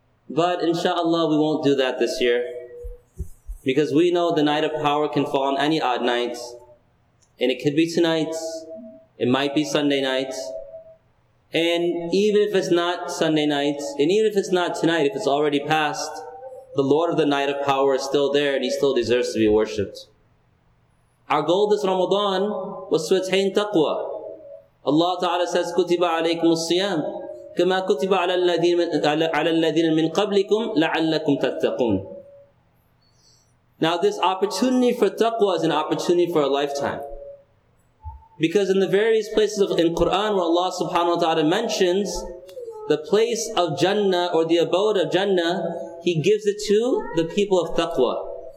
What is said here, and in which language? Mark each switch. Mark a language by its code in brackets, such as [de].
[en] But inshallah, we won't do that this year, because we know the night of power can fall on any odd night, and it could be tonight, it might be Sunday night, and even if it's not Sunday night, and even if it's not tonight, if it's already passed, the Lord of the night of power is still there and He still deserves to be worshipped. Our goal this Ramadan was to attain taqwa. [ar] Allah Ta'ala says, كُتِبَ عَلَيْكُمُ الصِّيَامُ كَمَا كُتِبَ عَلَى الَّذِينَ مِنْ قَبْلِكُمْ لَعَلَّكُمْ تَتَّقُونَ. [en] Now this opportunity for taqwa is an opportunity for a lifetime. Because in the various places of in Quran where Allah subhanahu wa ta'ala mentions the place of Jannah or the abode of Jannah, He gives it to the people of taqwa.